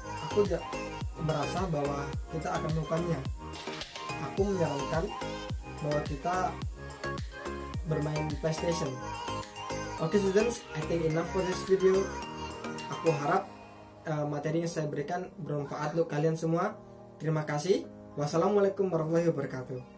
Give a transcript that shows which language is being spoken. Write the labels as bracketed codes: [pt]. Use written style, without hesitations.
[id] Aku tidak merasa bahwa kita akan melakukannya. Aku menyarankan bahwa kita bermain di PlayStation. [en] Okay students, I think enough for this video. [id] Aku harap materi yang saya berikan bermanfaat untuk kalian semua. Terima kasih. Wassalamualaikum warahmatullahi wabarakatuh.